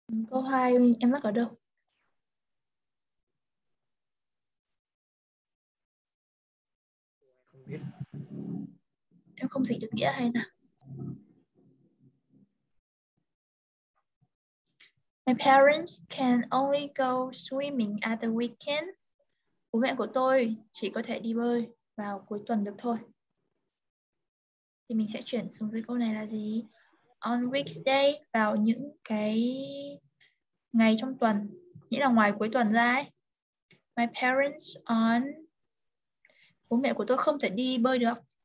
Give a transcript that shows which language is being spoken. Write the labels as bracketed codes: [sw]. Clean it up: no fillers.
[vi] Câu hai em mắc ở đâu? Không biết. Em không dịch được nghĩa hay nào? [en] My parents can only go swimming at the weekend. [vi] Bố mẹ của tôi chỉ có thể đi bơi vào cuối tuần được thôi. Thì mình sẽ chuyển xuống dưới câu này là gì? [en] On weekday, [vi] vào những cái ngày trong tuần, nghĩa là ngoài cuối tuần ra ấy. [en] My parents on [vi] bố mẹ của tôi không thể đi bơi được.